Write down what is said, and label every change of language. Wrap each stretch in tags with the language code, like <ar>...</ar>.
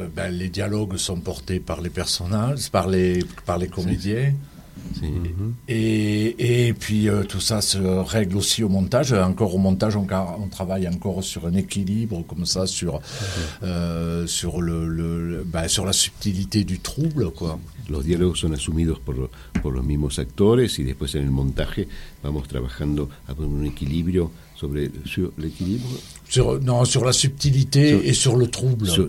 <fr>Les dialogues sont portés par les personnages, par les comédiens.</fr> <es>Sí.</es> <fr>Et puis tout ça se règle aussi au montage. Encore au montage, on travaille encore sur un équilibre comme ça, sur la subtilité du trouble, quoi.</fr> <es>Los diálogos son asumidos por los mismos actores y después en el montaje vamos trabajando con un equilibrio</es> <fr>sur l'équilibre. Sur la subtilité et sur le trouble.</fr>